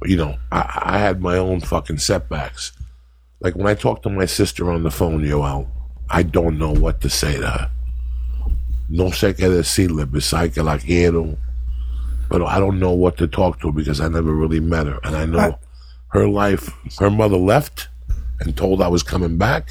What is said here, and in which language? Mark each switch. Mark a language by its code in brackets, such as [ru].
[en] you know, I had my own fucking setbacks. Like when I talk to my sister on the phone, Yoel, I don't know what to say to her. [es] No sé qué decirle, besides que la quiero. [en] But I don't know what to talk to her because I never really met her. And I know her life, her mother left and told I was coming back.